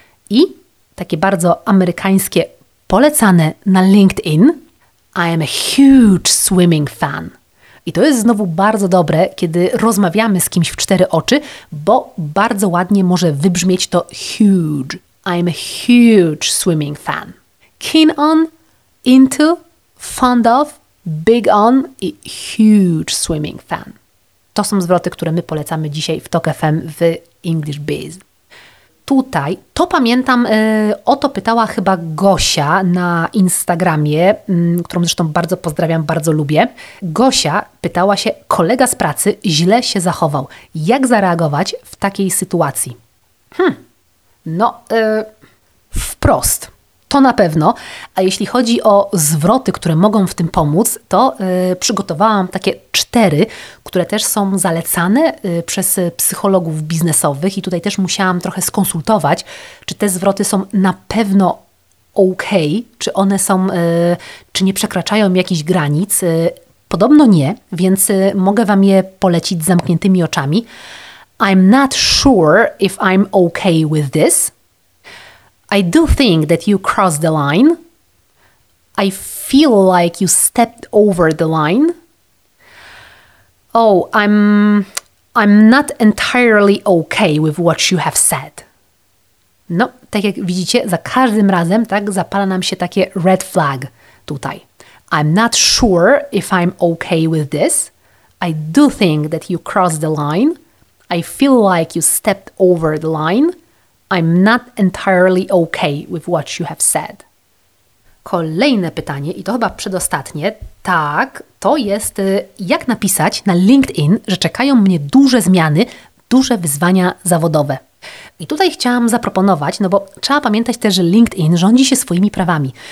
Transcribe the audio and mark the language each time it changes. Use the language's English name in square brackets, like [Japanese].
[Polish] I takie bardzo amerykańskie polecane na LinkedIn. [English] I am a huge swimming fan. [Polish] I to jest znowu bardzo dobre, kiedy rozmawiamy z kimś w cztery oczy, bo bardzo ładnie może wybrzmieć to huge. [English] I'm a huge swimming fan. Keen on, into, fond of, big on [Polish] i [English] huge swimming fan. [Polish] To są zwroty, które my polecamy dzisiaj w Talk FM w English Biz. Tutaj, to pamiętam, o to pytała chyba Gosia na Instagramie, którą zresztą bardzo pozdrawiam, bardzo lubię. Gosia pytała się, kolega z pracy źle się zachował. Jak zareagować w takiej sytuacji? Wprost. To na pewno, a jeśli chodzi o zwroty, które mogą w tym pomóc, to przygotowałam takie 4, które też są zalecane przez psychologów biznesowych i tutaj też musiałam trochę skonsultować, czy te zwroty są na pewno ok, czy one są, czy nie przekraczają jakichś granic. Podobno nie, więc mogę Wam je polecić z zamkniętymi oczami. [English] I'm not sure if I'm okay with this. I do think that you crossed the line. I feel like you stepped over the line. Oh, I'm not entirely okay with what you have said. [Polish] No, tak jak widzicie, za każdym razem tak zapala nam się takie red flag tutaj. [English] I'm not sure if I'm okay with this. I do think that you crossed the line. I feel like you stepped over the line. I'm not entirely okay with what you have said. [Polish] Kolejne pytanie i to chyba przedostatnie. Tak, to jest jak napisać na LinkedIn, że czekają mnie duże zmiany, duże wyzwania zawodowe. I tutaj chciałam zaproponować, no bo trzeba pamiętać też, że LinkedIn rządzi się swoimi prawami.